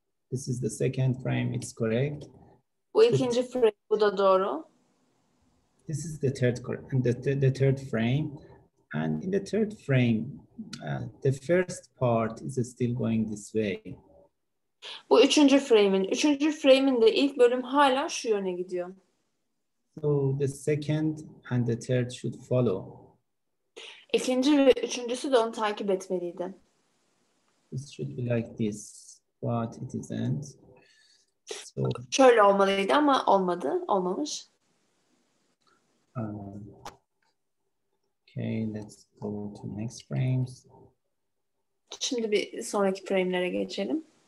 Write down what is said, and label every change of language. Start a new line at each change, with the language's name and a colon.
English: This is the second frame, it's correct.
Turkish: Bu ikinci frame, bu da doğru.
English: This is the third correct, and the third frame. And in the third frame, the first part is still going this way.
Turkish: Bu üçüncü frame'in. Üçüncü frame'in de ilk bölüm hala şu yöne gidiyor.
English: So the second and the third should follow.
Turkish: İkinci ve üçüncüsü de onu takip etmeliydi.
English: This should be like this, but it isn't.
Turkish: So, şöyle olmalıydı ama olmadı, olmamış.
English: Okay, let's go to next frames.
Turkish: Şimdi bir sonraki frame'lere geçelim.